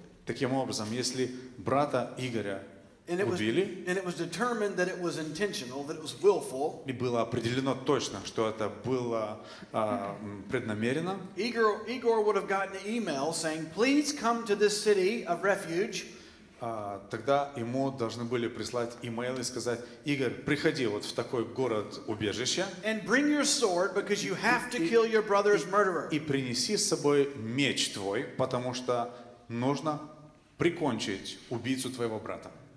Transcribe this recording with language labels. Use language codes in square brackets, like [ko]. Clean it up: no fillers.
[ru] Таким образом, если брата Игоря убили, [en] and it was determined that it was intentional, that it was willful. [ru] И было определено точно, что это было преднамеренно. [en] Igor would have gotten an email saying, "Please come to this city of refuge." [ru] Тогда ему должны были прислать email и сказать: "Игорь, приходи вот в такой город убежище." [en] And bring your sword because you have to kill your brother's murderer. [ru] И принеси с собой меч твой, потому что нужно прикончить убийцу твоего брата.